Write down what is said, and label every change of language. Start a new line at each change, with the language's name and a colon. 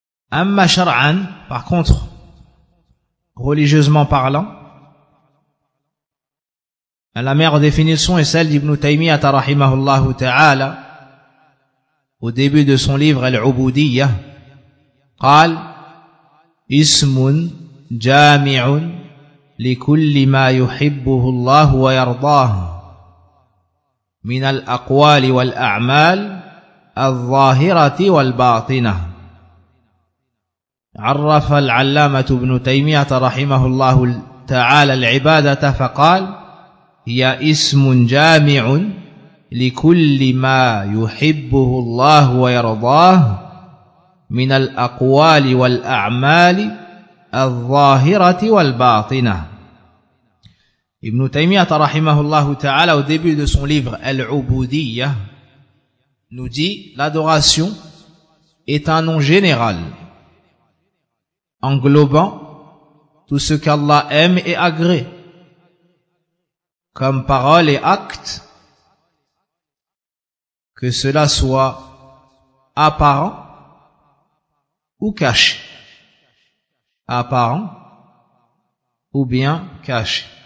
French: Amma shar'an, par contre, religieusement parlant, la meilleure définition est celle d'Ibn Taymiyyah rahimahullah ta'ala au début de son livre Al-Ubudiyyah.
Arabic: قال اسم جامع لكل ما يحبه الله ويرضاه من الأقوال والأعمال الظاهرة والباطنة. عرف العلامة ابن تيمية رحمه الله تعالى العبادة فقال هي اسم جامع لكل ما يحبه الله ويرضاه من الأقوال والأعمال الظاهرة والباطنة.
French: Ibn Taymiyyah rahimahullah ta'ala au début de son livre Al-Ubudiyyah nous dit l'adoration est un nom général englobant tout ce qu'Allah aime et agrée comme parole et acte, que cela soit apparent ou caché, apparent ou bien caché.